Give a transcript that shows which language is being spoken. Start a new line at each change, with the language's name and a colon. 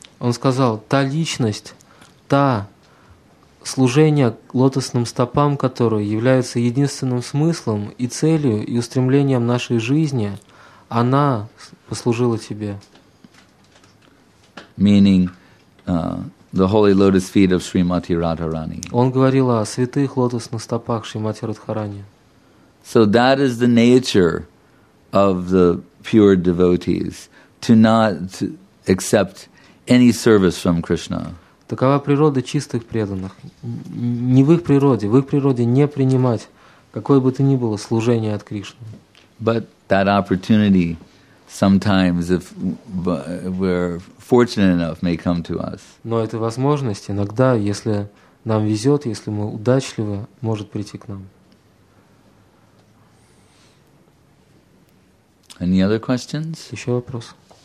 Russian: Он сказал, та личность, та служение лотосным стопам, которое является единственным смыслом и целью и устремлением нашей жизни, она послужила тебе.
English: Meaning, the holy lotus feet of Srimati Radharani.
Russian: Он говорил о святых лотосных стопах Шримати Радхарани.
English: So that is the nature of the pure devotees, to not accept any service from Krishna.
Russian: Такова природа чистых преданных. Не в их природе. В их природе не принимать какое бы то ни было служение от Кришны.
English: But that opportunity sometimes, if we're fortunate enough, may come to us.
Russian: Но эта возможность иногда, если нам везет, если мы удачливы, может прийти к нам.
English: Any other questions?
Russian: Еще вопрос.